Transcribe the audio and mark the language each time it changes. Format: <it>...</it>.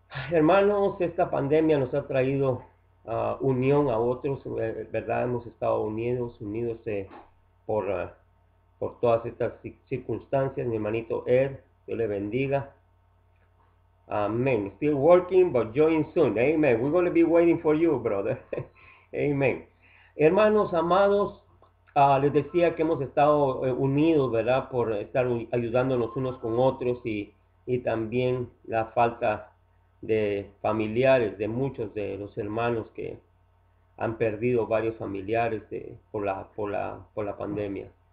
<es>Hermanos, esta pandemia nos ha traído unión a otros. ¿Verdad? Hemos estado unidos por todas estas circunstancias. Mi hermanito Ed, Dios le bendiga. Amén.</es> <en>Still working, but join soon. Amen. We're going to be waiting for you, brother. Amen.</en> <es>Hermanos amados, les decía que hemos estado unidos, ¿verdad? Por estar ayudándonos unos con otros y también la falta de familiares, de muchos de los hermanos que han perdido varios familiares por la pandemia.</es>